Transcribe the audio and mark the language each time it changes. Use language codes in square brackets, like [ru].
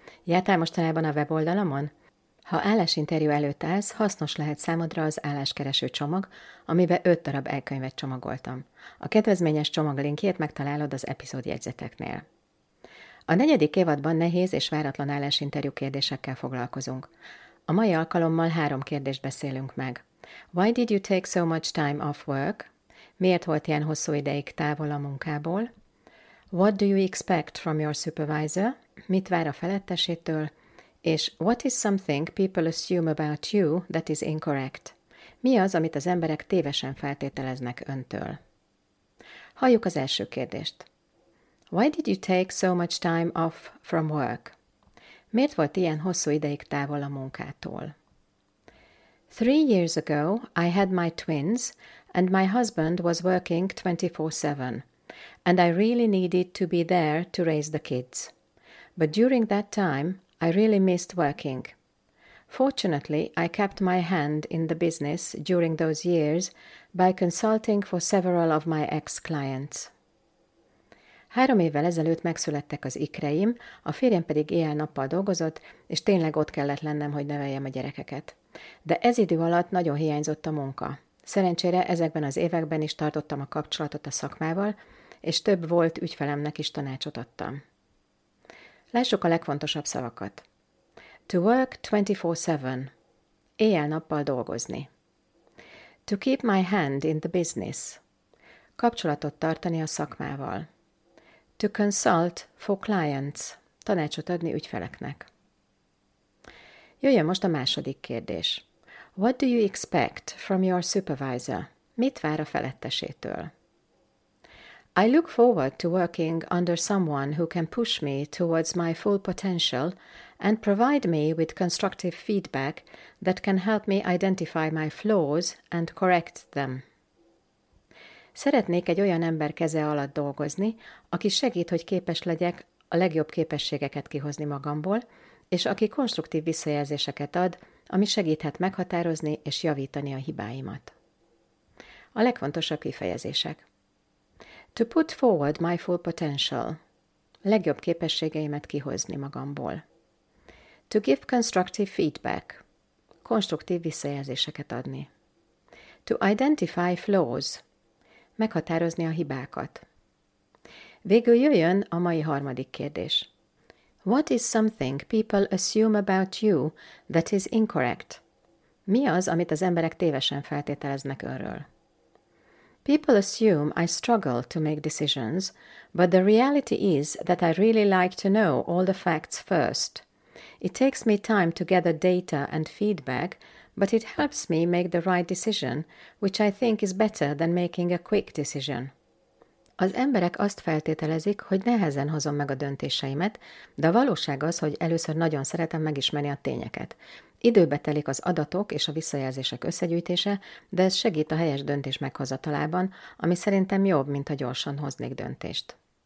[hu] Jártál mostanában a weboldalamon? Ha állásinterjú előtt állsz, hasznos lehet számodra az álláskereső csomag, amiben 5 darab elkönyvet csomagoltam. A kedvezményes csomag linkjét megtalálod az epizód jegyzeteknél. A 4. évadban nehéz és váratlan állásinterjú kérdésekkel foglalkozunk. A mai alkalommal 3 kérdést beszélünk meg. [en] Why did you take so much time off work? [hu] Miért volt ilyen hosszú ideig távol a munkából? [en] What do you expect from your supervisor? [hu] Mit vár a felettesétől? És [en] what is something people assume about you that is incorrect? [hu] Mi az, amit az emberek tévesen feltételeznek öntől? Halljuk az első kérdést. [en] Why did you take so much time off from work? [hu] Miért volt ilyen hosszú ideig távol a munkától? [en] 3 years ago, I had my twins, and my husband was working 24/7, and I really needed to be there to raise the kids. But during that time, I really missed working. Fortunately, I kept my hand in the business during those years by consulting for several of my ex-clients. [hu] 3 évvel ezelőtt megszülettek az ikreim, a férjem pedig éjjel-nappal dolgozott, és tényleg ott kellett lennem, hogy neveljem a gyerekeket. De ez idő alatt nagyon hiányzott a munka. Szerencsére ezekben az években is tartottam a kapcsolatot a szakmával, és több volt ügyfelemnek is tanácsot adtam. Lássuk a legfontosabb szavakat. [en] To work 24/7. [hu] Éjjel-nappal dolgozni. [en] To keep my hand in the business. [hu] Kapcsolatot tartani a szakmával. [en] To consult for clients. [hu] Tanácsot adni ügyfeleknek. Jöjjön most a második kérdés. [en] What do you expect from your supervisor? [hu] Mit vár a felettesétől? [en] I look forward to working under someone who can push me towards my full potential and provide me with constructive feedback that can help me identify my flaws and correct them. [hu] Szeretnék egy olyan ember keze alatt dolgozni, aki segít, hogy képes legyek a legjobb képességeket kihozni magamból, és aki konstruktív visszajelzéseket ad, ami segíthet meghatározni és javítani a hibáimat. A legfontosabb kifejezések. [en] To put forward my full potential. [hu] Legjobb képességeimet kihozni magamból. [en] To give constructive feedback. [hu] Konstruktív visszajelzéseket adni. [en] To identify flaws. [hu] Meghatározni a hibákat. Végül jöjjön a mai 3. kérdés. [en] What is something people assume about you that is incorrect? [hu] Mi az, amit az emberek tévesen feltételeznek önről? [en] People assume I struggle to make decisions, but the reality is that I really like to know all the facts first. It takes me time to gather data and feedback, but it helps me make the right decision, which I think is better than making a quick decision. [hu] Az emberek azt feltételezik, hogy nehezen hozom meg a döntéseimet, de a valóság az, hogy először nagyon szeretem megismerni a tényeket. Időbe telik az adatok és a visszajelzések összegyűjtése, de ez segít a helyes döntés meghozatalában, ami szerintem jobb, mint ha gyorsan hoznék döntést.